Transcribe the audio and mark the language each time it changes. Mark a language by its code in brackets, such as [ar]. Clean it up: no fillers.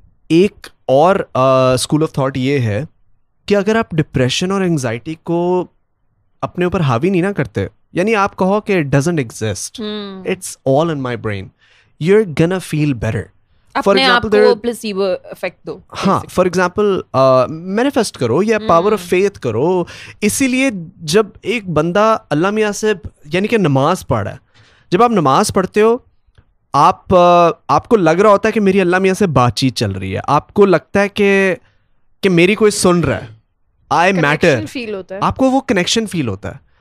[ur] ایک اور school of thought یہ ہے کہ اگر آپ ڈپریشن اور انگزائٹی کو اپنے اوپر حاوی نہیں نا کرتے, یعنی آپ کہو کہ [en] It doesn't exist, it's all in my brain, you are gonna feel better. For example placebo effect دو, [ur] ہاں [en] for example manifest [ur] کرو یا [en] power of faith [ur] کرو. اسی لیے جب ایک بندہ اللہ میاں سے یعنی کہ نماز پڑھ رہا ہے, جب آپ نماز پڑھتے ہو آپ کو لگ رہا ہوتا ہے کہ میری اللہ میاں سے بات چیت چل رہی ہے, آپ کو لگتا ہے کہ میری کوئی سن رہا ہے, آئی میٹر, آپ کو وہ کنیکشن فیل ہوتا ہے.